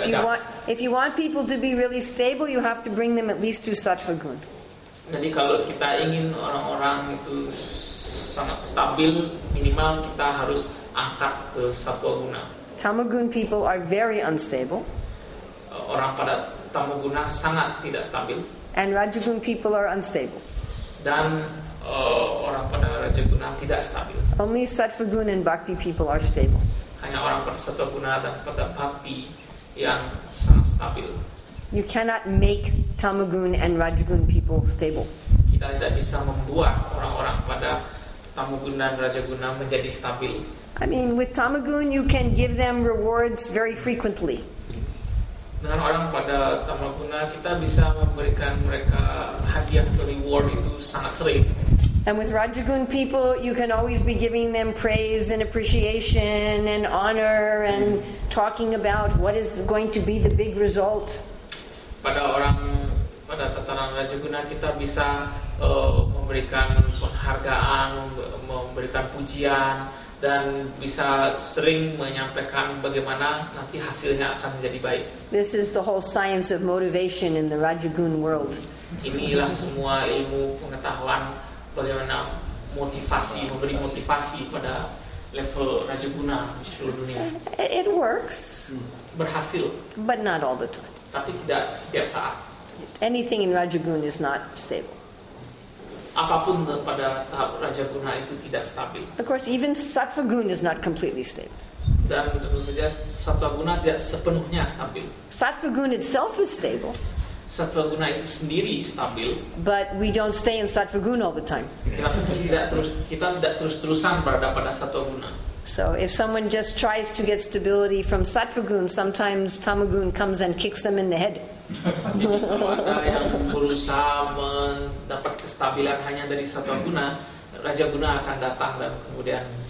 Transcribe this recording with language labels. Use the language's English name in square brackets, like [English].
[English] if you want, if you want people to be really stable, you have to bring them at least to sattva guna. [Indonesian] Jadi kalau kita ingin orang-orang itu sangat stabil, minimal kita harus angkat ke sattva guna. [English] Tamagun people are very unstable. [Indonesian] Orang pada tamaguna sangat tidak stabil. [English] And rajagun people are unstable. [Indonesian] Dan orang pada rajaguna tidak stabil. [English] Only sattva guna and bhakti people are stable. [Indonesian] Hanya orang pada sattva guna dan pada bhakti yang sangat stabil. [English] You cannot make tamagun and rajagun people stable. [Indonesian] Kita tidak bisa membuat orang-orang pada tamagun dan rajaguna menjadi stabil. [English] I mean, with tamagun, you can give them rewards very frequently. [Indonesian] Dengan orang pada tamaguna, kita bisa memberikan mereka hadiah atau reward itu sangat sering. [English] And with rajagun people, you can always be giving them praise and appreciation and honor and talking about what is going to be the big result. [Indonesian] Pada orang pada tataran rajaguna kita bisa memberikan penghargaan, memberikan pujian dan bisa sering menyampaikan bagaimana nanti hasilnya akan menjadi baik. [English] This is the whole science of motivation in the rajagun world. [Indonesian] Inilah semua ilmu pengetahuan bagaimana motivasi, memberi motivasi pada level rajaguna di seluruh dunia. [English] It works. [Indonesian] Berhasil. [English] But not all the time. [Indonesian] Tapi tidak setiap saat. [English] Anything in rajagun is not stable. [Indonesian] Apapun pada tahap rajaguna itu tidak stabil. [English] Of course, even sattva guna is not completely stable. [Indonesian] Dan tentu saja sattva guna tidak sepenuhnya stabil. [English] Sattva guna itself is stable. [Indonesian] Sattva guna itu sendiri stabil. [English] But we don't stay in sattva guna all the time. [Indonesian] Kita tidak terus-terusan berada pada sattva guna. [English] So if someone just tries to get stability from sattva guna, sometimes tamaguna comes and kicks them in the head. [Indonesian] Jadi kalau ada yang berusaha mendapat kestabilan hanya dari satu guna, raja guna akan datang dan kemudian.